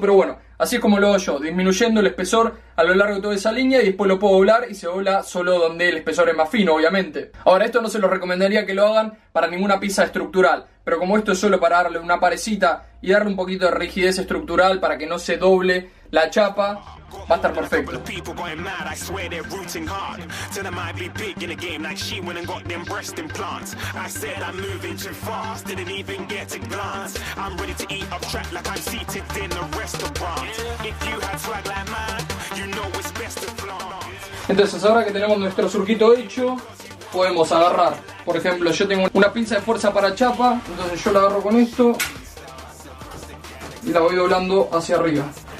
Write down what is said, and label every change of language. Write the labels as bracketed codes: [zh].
[es] Pero bueno, así es como lo hago yo, disminuyendo el espesor a lo largo de toda esa línea y después lo puedo doblar y se dobla solo donde el espesor es más fino, obviamente. Ahora, esto no se lo recomendaría que lo hagan para ninguna pieza estructural, pero como esto es solo para darle una parecita y darle un poquito de rigidez estructural para que no se doble la chapa. Va a estar perfecto. [en] People going mad, I swear they're rooting hard. Tell them I'd be big in a game like she went and got them breast implants. I said I'm moving too fast, didn't even get a glance. I'm ready to eat up track like I'm seated in a restaurant. If you had swag like mine, you know it's best to flaunt. [es] Entonces, ahora que tenemos nuestro surquito hecho, podemos agarrar. Por ejemplo, yo tengo una pinza de fuerza para chapa, entonces yo la agarro con esto. y la voy doblando hacia arriba.